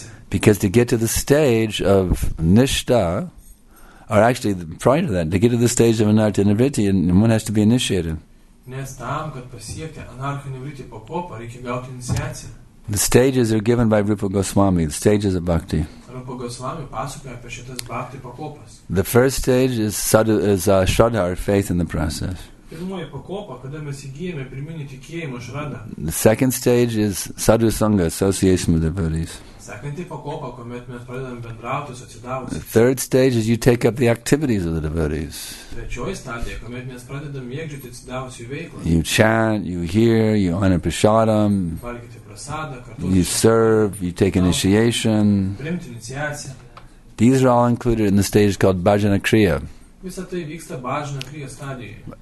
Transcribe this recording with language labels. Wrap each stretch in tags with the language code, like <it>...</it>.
<en>Because to get to the stage of nishta, or actually prior to that, to get to the stage of anartha nivritti, one has to be initiated.</en> <lt>Nes tam, kad pasiekti anarcho nivritti po popa, reikia gauti iniciaciją.</lt> <en>The stages are given by Rupa Goswami, the stages of bhakti.</en> <lt>Rupa Goswami pasakoja apie šitas bhakti pakopas.</lt> <en>The first stage is shraddha, faith in the process.</en> <lt>Pirmoji pakopa, kada mes įgyjame pirminį tikėjimą šraddha.</lt> <en>The second stage is sadhu sangha, association with devotees.</en> <lt>Sekanti pakopa, kuomet mes pradedame bendrauti su atsidavusiais.</lt> <en>The third stage is you take up the activities of the devotees.</en> <lt>Trečioji stadija, kuomet mes pradedame mėgdžioti atsidavusiųjų veiklą.</lt> <en>You chant, you hear, you honor prasadam.</en> <lt>Valgyti prasadą, kartu.</lt> <en>You serve, you take initiation.</en> <lt>Priimti iniciaciją.</lt> <en>These are all included in the stage called bhajana kriya.</en> <lt>Visa tai vyksta bhajana kriya stadijoje.</lt>